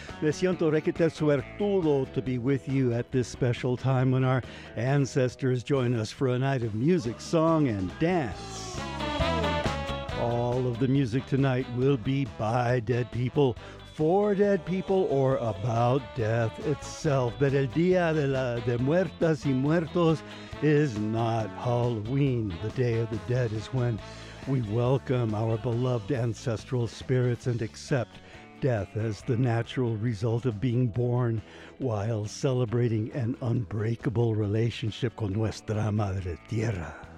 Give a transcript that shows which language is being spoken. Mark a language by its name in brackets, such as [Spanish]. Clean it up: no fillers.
[Spanish] Me siento requete suertudo [English] to be with you at this special time when our ancestors join us for a night of music, song, and dance. All of the music tonight will be by dead people, for dead people, or about death itself. But [Spanish] el día de la de muertas y muertos [English] is not Halloween. The day of the dead is when we welcome our beloved ancestral spirits and accept death as the natural result of being born while celebrating an unbreakable relationship [Spanish] con nuestra madre tierra.